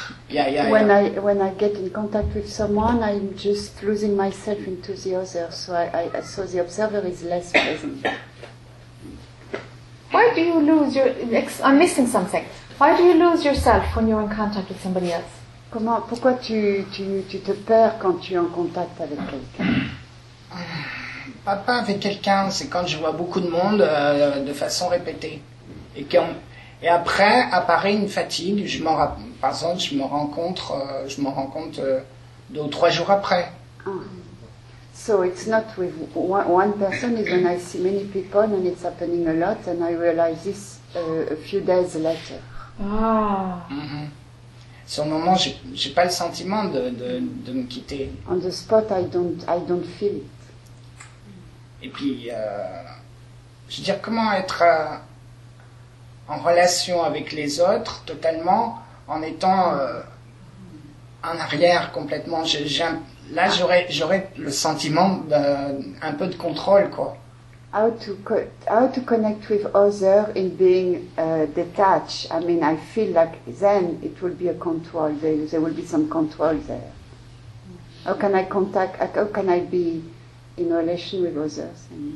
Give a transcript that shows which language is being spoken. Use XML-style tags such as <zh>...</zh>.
<en>When I get in contact with someone, I'm just losing myself into the other, so the observer is less present. Why do you lose your? I'm missing something. Why do you lose yourself when you're in contact with somebody else?</en> <fr>Pourquoi tu te perds quand tu es en contact avec quelqu'un? Pas avec quelqu'un, c'est quand je vois beaucoup de monde de façon répétée. Et après apparaît une fatigue, je me rends compte deux ou trois jours après.</fr> <en>So it's not with one person, it's when I see many people and it's happening a lot and I realize this a few days later. Ah. Mm-hmm.</en> <fr>Sur le moment, j'ai pas le sentiment de me quitter.</fr> <en>On the spot, I don't feel it.</en> <fr>Et puis, je veux dire, comment être en relation avec les autres totalement en étant en arrière complètement. J'aurais le sentiment d'un peu de contrôle, quoi.</fr> <en>How to connect with others in being detached. I mean, I feel like then it will be a control. There will be some control there. How can I contact? How can I be in relation with others?</en>